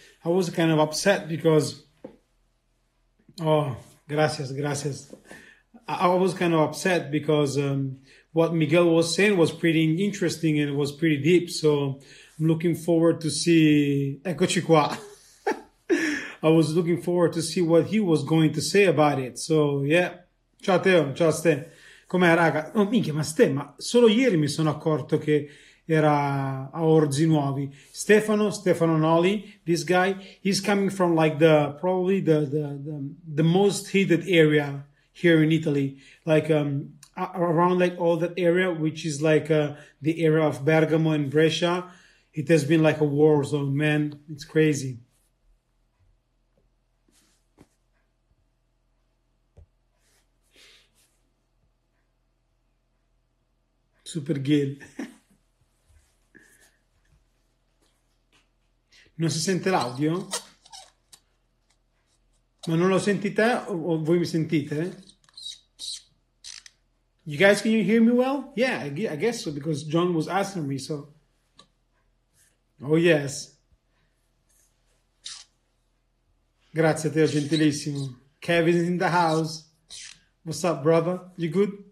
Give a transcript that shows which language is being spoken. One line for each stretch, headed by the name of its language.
English: I was kind of upset because... Oh,
Spanish: gracias, gracias.
English: I was kind of upset because what Miguel was saying was pretty interesting and it was pretty deep. So I'm looking forward to see...
Italian: Eccoci qua.
English: I was looking forward to see what he was going to say about it. So, yeah.
Italian: Ciao Teo, ciao Ste. Com'è, raga? Oh, minchia, ma Ste, ma solo ieri mi sono accorto che era a Orzi Nuovi.
English: Stefano Nolli, this guy, he's coming from like the probably the most heated area here in Italy, like around like all that area, which is like the area of Bergamo and Brescia. It has been like a war zone, man. It's crazy. Super good.
Italian: Non si sente l'audio? Ma non lo sentite o voi mi sentite?
English: You guys, can you hear me well? Yeah, I guess so, because John was asking me, so. Oh, yes.
Italian: Grazie a te, gentilissimo.
English: Kevin's in the house. What's up, brother? You good?